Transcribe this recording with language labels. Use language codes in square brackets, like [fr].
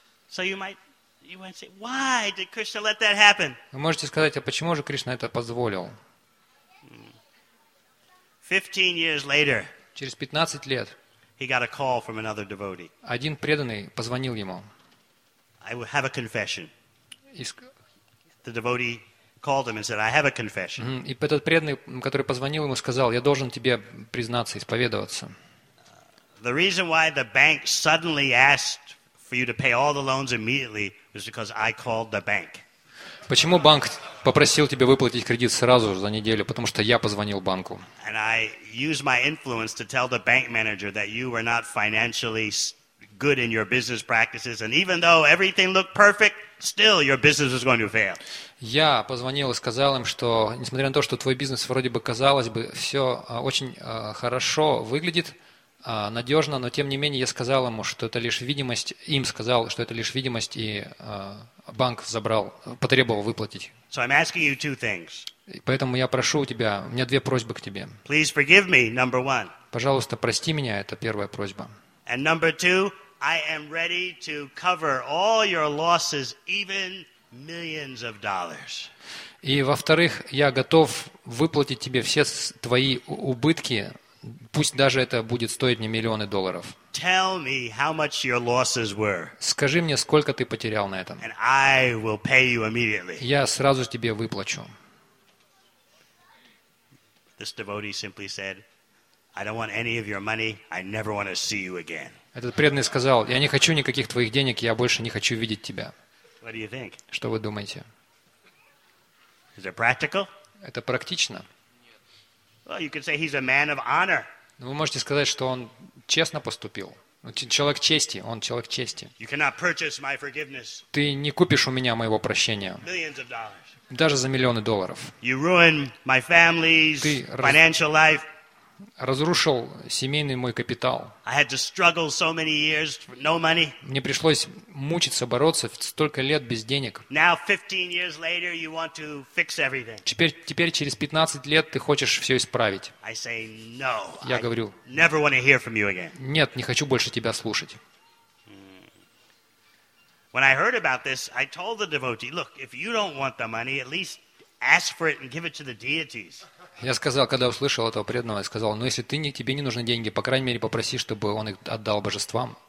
[en] So you might say, why did Krishna let that happen? [ru] Вы можете сказать, а почему же Кришна это позволил? [en] 15 years later. [ru] Через 15 лет. [en] He got a call from another devotee. [ru] Один преданный позвонил ему. [en] I have a confession. The devotee called him and said, I have a confession. [ru] И этот преданный, который позвонил ему, сказал, я должен тебе признаться, исповедоваться. [en] The reason why the bank suddenly asked for you to pay all the loans immediately was because I called the bank. [ru] Почему банк попросил тебя выплатить кредит сразу за неделю? Потому что я позвонил банку. [en] And I used my influence to tell the bank manager that you were not financially good in your business practices, and even though everything looked perfect, still your business was going to fail. [ru] Я позвонил и сказал им, что несмотря на то, что твой бизнес вроде бы казалось бы все очень хорошо выглядит. Надежно, но тем не менее я сказал ему, что это лишь видимость, им сказал, что это лишь видимость, и банк забрал, потребовал выплатить. [en] So I'm asking you two things. [ru] Поэтому я прошу у тебя, у меня две просьбы к тебе. [en] Please forgive me, number one. [ru] Пожалуйста, прости меня, это первая просьба. [en] And number two, I am ready to cover all your losses, even millions of dollars. [ru] И во-вторых, я готов выплатить тебе все твои убытки, пусть даже это будет стоить мне миллионы долларов. [en] Tell me how much your losses were. [ru] Скажи мне, сколько ты потерял на этом. [en] And I will pay you immediately. [ru] Я сразу тебе выплачу. [en] This devotee simply said, I don't want any of your money. I never want to see you again. [ru] Этот преданный сказал, я не хочу никаких твоих денег, я больше не хочу видеть тебя. [en] What do you think? [ru] Что вы думаете? [en] Is it practical? [ru] Это практично? [en] Well, you could say he's a man of honor. [ru] Вы можете сказать, что он честно поступил. Человек чести, он человек чести. [en] You cannot purchase my forgiveness. [ru] Ты не купишь у меня моего прощения. [en] Millions of dollars. [ru] Даже за миллионы долларов. [en] You ruin my family's financial life. [ru] Разрушил семейный мой капитал. [en] I had to struggle so many years for no money. [ru] Мне пришлось мучиться, бороться столько лет без денег. [en] Now, 15 years later, you want to fix everything. [ru] Теперь через 15 лет ты хочешь все исправить. [en] I say, no, [ru] я говорю, [en] I never want to hear from you again. [ru] Нет, не хочу больше тебя слушать. [en] When I heard about this, I told the devotee, look, if you don't want the money, at least ask for it and give it to the deities. [ru] Я сказал, когда услышал этого преданного, я сказал, ну, если тебе не нужны деньги, по крайней мере, попроси, чтобы он их отдал божествам.